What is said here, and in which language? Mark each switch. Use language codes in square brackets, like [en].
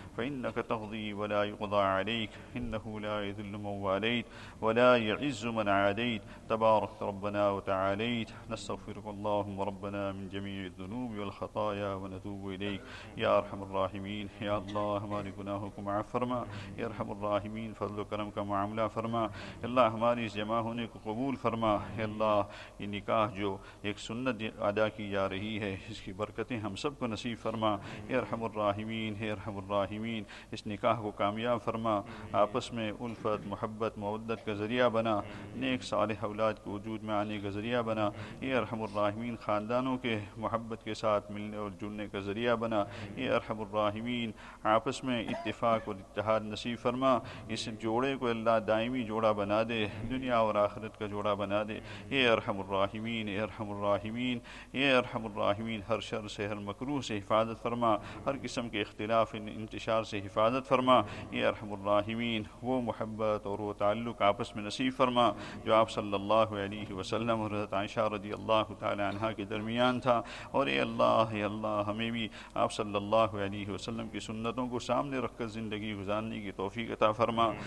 [ar] فإنك تقضي ولا يقضى عليك، إنه لا يذل من واليت، ولا يعز من عاديت. تبارك ربنا وتعاليت. نستغفرك اللهم ربنا من جميع الذنوب والخطايا، ونتوب إليك يا أرحم الراحمين. [ur] يا الله ما لغناهكم عفو فرما، يا أرحم الراحمين فضل كرمك معاملة فرما. يا الله ہماری جمع ہونے کو قبول فرما. يا الله یہ نکاح جو ایک سنت ادا کی جا رہی ہے، اس کی برکتیں ہم سب کو نصیب فرما. [ar] يا أرحم الراحمين يا أرحم الراحمين [ur] اس نکاح کو کامیاب فرما. آپس میں الفت، محبت، مودت کا ذریعہ بنا. نیک صالح اولاد کو وجود میں آنے کا ذریعہ بنا. [ar] يا أرحم الراحمين [ur] خاندانوں کے محبت کے ساتھ ملنے اور جلنے کا ذریعہ بنا. [ar] يا أرحم الراحمين [ur] آپس میں اتفاق اور اتحاد نصیب فرما. اس جوڑے کو اللہ دائمی جوڑا بنا دے، دنیا اور آخرت کا جوڑا بنا دے. [ar] يا أرحم الراحمين يا أرحم الراحمين [ur] يا أرحم الراحمين ہر شر سے، ہر مکروہ سے حفاظت فرما. ہر قسم کے اختلاف انتشار سے حفاظت فرما. [ar] يا أرحم الراحمين [ur] وہ محبت اور وہ تعلق آپس میں نصیب فرما جو آپ صلی اللہ علیہ وسلم اور حضرت عائشہ رضی اللہ تعالی عنہ کے درمیان تھا. اور اے اللہ، اے اللہ ہمیں بھی آپ صلی اللہ علیہ وسلم کی سنتوں کو سامنے رکھ کر زندگی گزارنے کی توفیق عطا فرما.